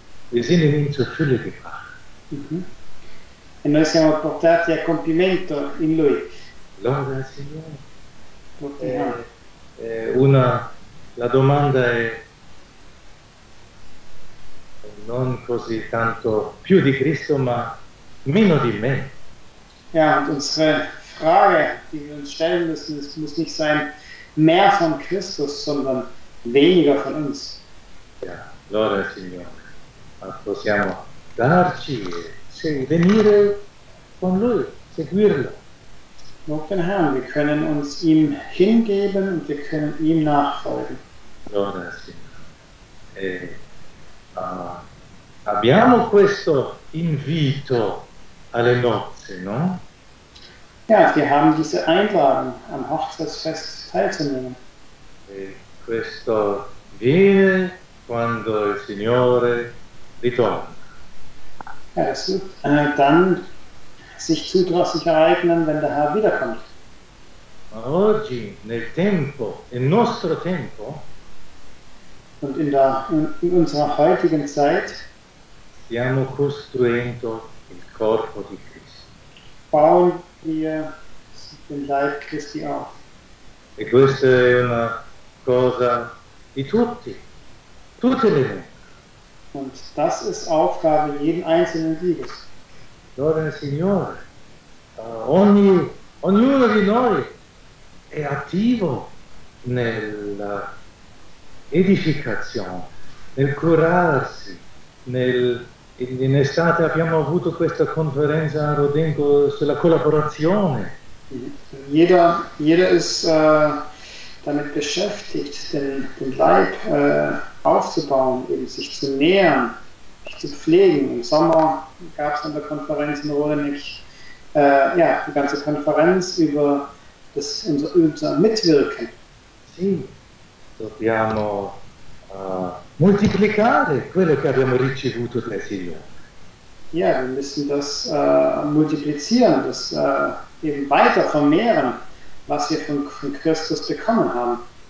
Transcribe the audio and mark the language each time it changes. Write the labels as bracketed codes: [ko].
[de] Wir sind in ihm zur Fülle gebracht. [it] E noi siamo portati a compimento in Lui. Gloria al Signore. La domanda è non così tanto più di Cristo, ma meno di me. [de] Ja, und unsere Frage, die wir uns stellen müssen, es muss nicht sein mehr von Christus, sondern weniger von uns. [it] Ja, Gloria al Signore. Ma possiamo darci venire con Lui, seguirlo. [de] Lob den Herrn, wir können uns ihm hingeben und wir können ihm nachfolgen. [it] Gloria al Signore. Abbiamo questo invito alle nozze, no? [de] Ja, wir haben diese Einladung am Hochzeitsfest teilzunehmen. [it] E questo viene quando il Signore ritorna. [de] Ja, es wird dann sich zudrücklich ereignen, wenn der Herr wiederkommt. [it] Oggi, nel tempo, il nostro tempo, [de] und in unserer heutigen Zeit, [it] stiamo costruendo il corpo di Cristo. [de] Bauen wir den Leib Christi auf. [it] E questa è una cosa di tutti, tutte le Menschen. [de] Und das ist Aufgabe jeden einzelnen Dieges. [it] Gloria al Signore. Ognuno di noi è attivo nella edificazione, nel curarsi, in estate abbiamo avuto questa conferenza a Rodengo sulla collaborazione. [de] Jeder ist damit beschäftigt, den Leib aufzubauen, eben sich zu nähern, sich zu pflegen. Im Sommer gab es an der Konferenz in Rolenig die ganze Konferenz über das unser Mitwirken. [it] Sì, dobbiamo multiplicare quello che abbiamo ricevuto dal Signore. [de] Ja, wir müssen das multiplizieren, das eben weiter vermehren, was wir von Christus bekommen haben.